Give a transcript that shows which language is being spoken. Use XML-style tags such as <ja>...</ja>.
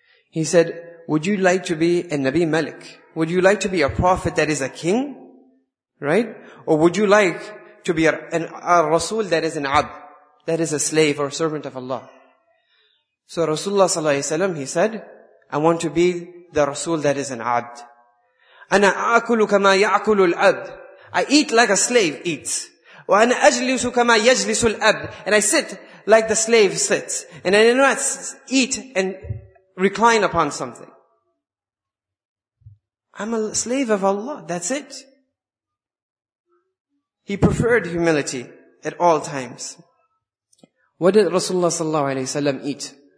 <en>He said, would you like to be a Nabi Malik? Would you like to be a prophet that is a king? Right? Or would you like to be a Rasul that is an Ab, that is a slave or a servant of Allah? So Rasulullah sallallahu alayhi wasallam, he said, I want to be the Rasul that is an Abd.</en> <ar>أنا أكل كما يأكل العبد.</ar> <en>I eat like a slave eats.</en> <ar>وأنا أجلس كما يجلس العبد.</ar> <en>And I sit like the slave sits. And I do not eat and recline upon something. I'm a slave of Allah. That's it. He preferred humility at all times. What did Rasulullah sallallahu alayhi wa sallam eat?</en>